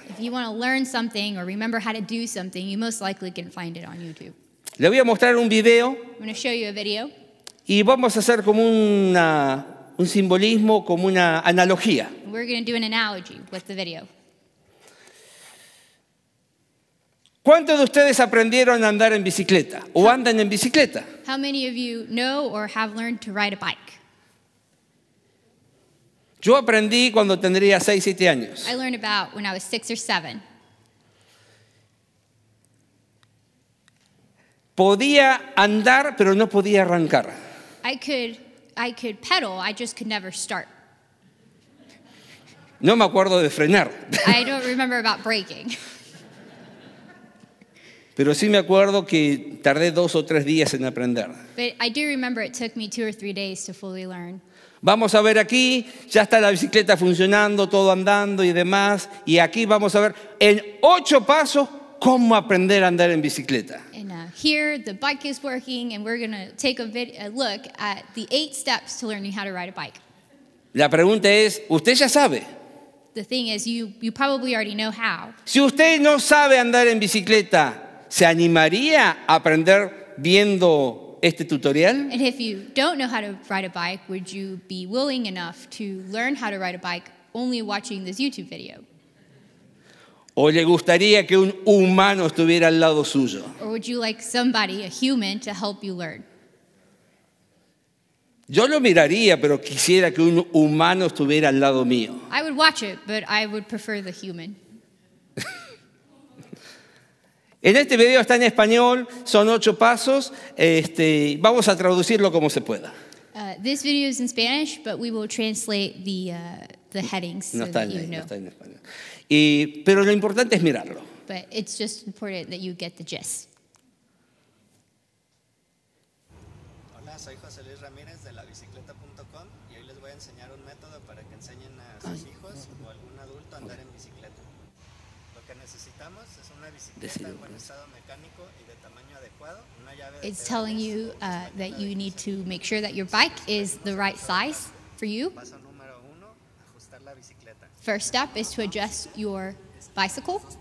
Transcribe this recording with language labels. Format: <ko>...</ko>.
<en>If you want to learn something or remember how to do something, you most likely can find it on YouTube.</en> <es>Le voy a mostrar un video.</es> <en>I'm going to show you a video.</en> <es>Y vamos a hacer como un simbolismo, como una analogía.</es> <en>We're going to do an analogy with the video.</en> <es>¿Cuántos de ustedes aprendieron a andar en bicicleta o andan en bicicleta?</es> <en>How many of you know or have learned to ride a bike?</en> <es>Yo aprendí cuando tendría 6, 7 años.</es> <en>I learned about when I was 6 or 7.</en> <es>Podía andar, pero no podía arrancar.</es> <en>I could pedal, I just could never start.</en> <es>No me acuerdo de frenar.</es> <en>I don't remember about braking.</en> <es>Pero sí me acuerdo que tardé 2 o 3 días en aprender.</es> <en>But I do remember it took me 2 or 3 days to fully learn.</en> <es>Vamos a ver aquí, ya está la bicicleta funcionando, todo andando y demás. Y aquí vamos a ver en 8 pasos cómo aprender a andar en bicicleta.</es> <en>And here the bike is working and we're going to take a look at the 8 steps to learning how to ride a bike.</en> <es>La pregunta es, ¿usted ya sabe?</es> <en>The thing is, you probably already know how.</en> <es>Si usted no sabe andar en bicicleta, ¿se animaría a aprender viendo este tutorial?</es> <en>And if you don't know how to ride a bike, would you be willing enough to learn how to ride a bike only watching this YouTube video?</en> <es>¿O le gustaría que un humano estuviera al lado suyo?</es> <en>Or would you like somebody, a human, to help you learn?</en> <es>Yo lo miraría, pero quisiera que un humano estuviera al lado mío.</es> <en>I would watch it, but I would prefer the human.</en> <es>En este video está en español, son 8 pasos. Vamos a traducirlo como se pueda.</es> <en>This video is in Spanish, but we will translate the headings.</en> <es>No,</es> <en>so</en> <es>está</es> <en>that you</en> <es>ahí,</es> <en>know.</en> <es>No está en español. Pero lo importante es mirarlo.</es> <en>But it's just important that you get the gist.</en> <es>Hola, soy José Luis Ramírez de labicicleta.com y hoy les voy a enseñar un método para que enseñen a sus hijos o algún adulto a andar en bicicleta. Lo que necesitamos es una bicicleta en buen estado mecánico y de tamaño adecuado, una llave.</es> <en>It's telling you that you need to make sure that your bike is the right size for you. First step is to adjust your bicycle.</en>